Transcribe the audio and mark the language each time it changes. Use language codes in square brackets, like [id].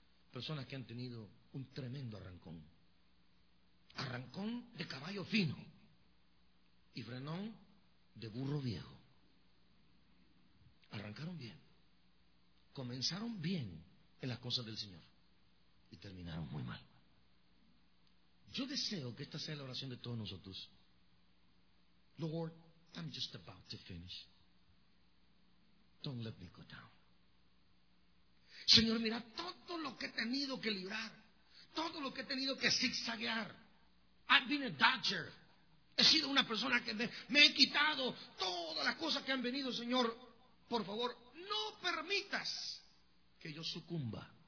[es] Personas que han tenido un tremendo arrancón. Arrancón de caballo fino y frenón de burro viejo. Arrancaron bien. Comenzaron bien en las cosas del Señor y terminaron muy mal. Yo deseo que esta sea la oración de todos nosotros. [en] Lord, I'm just about to finish. Don't let me go down. [es] Señor, mira todo lo que he tenido que librar, todo lo que he tenido que zigzaguear. [en] I've been a dodger. [es] He sido una persona que me he quitado todas las cosas que han venido, Señor. Por favor, no permitas que yo sucumba.